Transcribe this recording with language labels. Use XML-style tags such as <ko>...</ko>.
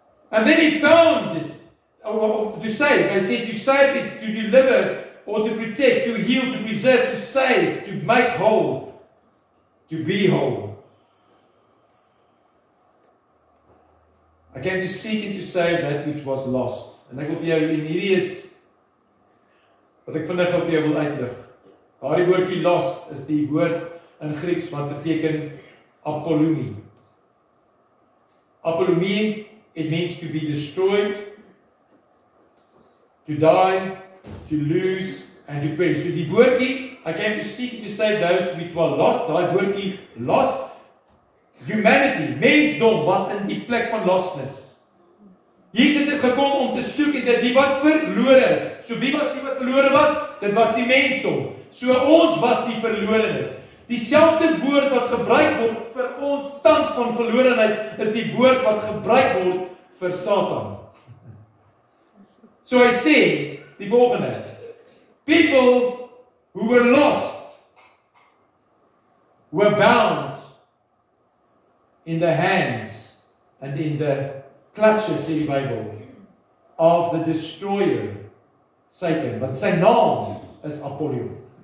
<en>And then he found it. To save. I said to save is to deliver or to protect, to heal, to preserve, to save, to make whole, to be whole. I came to seek and to save that which was lost.</en> <af>And ek wil vir jou in hierdie is wat ek vinnig vir jou wil uitlig. Daardie woordjie lost is die woord in Grieks wat beteken apolumi.</af> <en>Apolumi, it means to be destroyed, to die, to lose, and to perish.</en> <af>So die woordjie,</af> <en>I came to seek to save those which were lost,</en> <af>die woordjie, lost, humanity, mensdom, was in die plek van lostness. Jesus het gekom om te soek en dat die wat verlore is. So wie was die wat verlore was? Dit was die mensdom. So ons was die verlorenes. Dieselfde woord wat gebruik word vir ons stand van verlorenheid, is die woord wat gebruik word vir Satan.</af> <en>So I say,</en> <af>die volgende,</af> <en>people who were lost were bound in the hands and in the clutches,</en> <af>sê die</af> <en>Bible, of the destroyer, Satan. But</en> <af>sy naam is</af> <en>Apollyon.</en>